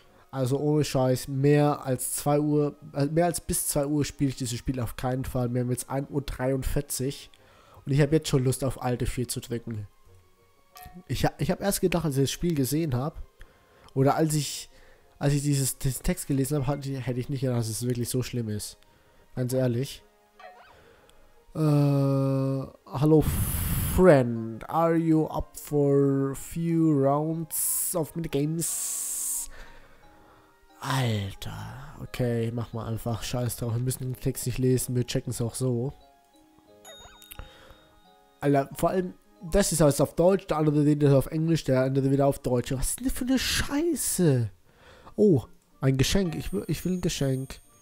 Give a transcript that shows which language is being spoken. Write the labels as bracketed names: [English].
[German] Also ohne Scheiß, mehr als bis 2 Uhr spiele ich dieses Spiel auf keinen Fall. Wir haben jetzt 1.43 Uhr. Und ich habe jetzt schon Lust auf alte 4 zu drücken. Ich habe erst gedacht, als ich das Spiel gesehen habe, oder als ich diesen Text gelesen habe, hätte ich nicht gedacht, dass es wirklich so schlimm ist. Ganz ehrlich. [English] Hallo Friend, are you up for few rounds of Minigames? [German] Alter, okay, mach mal einfach Scheiß drauf, wir müssen den Text nicht lesen, wir checken es auch so. Alter, vor allem, das ist alles auf Deutsch, der andere redet auf Englisch, der andere wieder auf Deutsch. Was ist denn für eine Scheiße? Oh, ein Geschenk, ich will ein Geschenk.